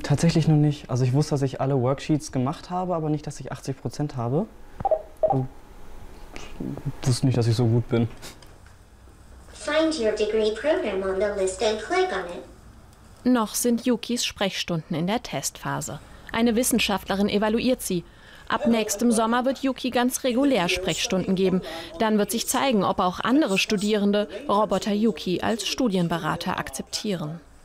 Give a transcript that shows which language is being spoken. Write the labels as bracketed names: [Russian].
[German] Tatsächlich noch nicht. Also ich wusste, dass ich alle Worksheets gemacht habe, aber nicht, dass ich 80% habe. Ich wusste nicht, dass ich so gut bin. [English] Find your degree program on the list and click on it. [German] Noch sind Yukis Sprechstunden in der Testphase. Eine Wissenschaftlerin evaluiert sie. Ab nächstem Sommer wird Yuki ganz regulär Sprechstunden geben. Dann wird sich zeigen, ob auch andere Studierende Roboter Yuki als Studienberater akzeptieren.